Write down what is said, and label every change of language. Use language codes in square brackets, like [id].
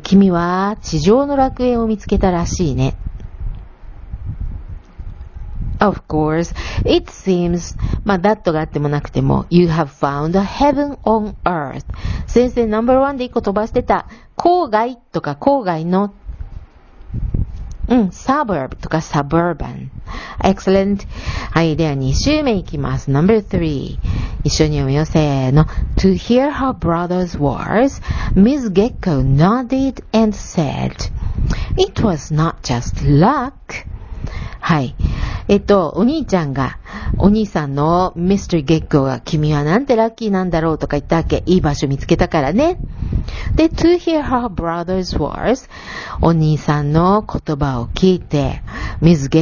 [ja] 君は地上の楽園を見つけたらしいね。 [en] Of course, it seems, まあ、that [ja] があってもなくても、 [en] you have found a heaven on earth. [ja] 先生、number one で一個飛ばしてた、郊外とか郊外の、うん、suburb とか suburban。excellent。はい、では2週目いきます。 [en] number 3、 [ja] 一緒に読むよ、せーの。 [en] To hear her brother's words, Ms. Gecko nodded and said, It was not just luck。 [ja] はい、お兄ちゃんが、お兄さんの Mr. Gecko が、君はなんてラッキーなんだろうとか言ったわけ。いい場所見つけたからね。で、 [en] to hear her brother's words、 [ja] お兄さんの言葉を聞いて、 Ms.